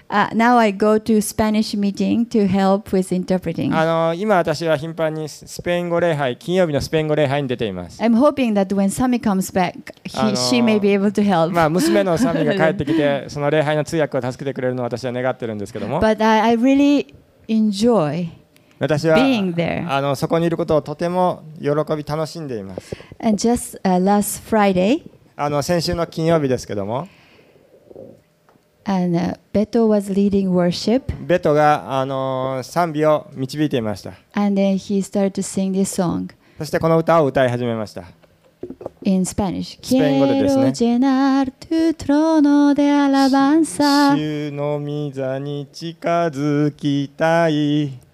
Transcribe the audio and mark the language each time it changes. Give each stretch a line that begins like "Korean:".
English: Now I go to Spanish meeting to help with interpreting.
Japanese: 今私は頻繁にスペイン語礼拝、金曜日のスペイン語礼拝に出ています。
English: I'm hoping that when Sammy comes back, she may be able to help.
Japanese: まあ娘のサミが帰ってきて、その礼拝の通訳を助けてくれるのを私は願ってるんですけども。
English: But I really enjoy.
Japanese: 私はそこにいることをとても喜び楽しんでいます。
English: And just last Friday,
Japanese: 先週の金曜日ですけども、
English: Beto was leading worship.
Japanese: ベトが賛美を導いていました。
English: And then he started to sing this song.
Japanese: そしてこの歌を歌い始めました。
English: In Spanish,
Japanese: スペイン語でですね。
Spanish: Quiero llenar tu trono de alabanza.
Japanese: 主の御座に近づきたい。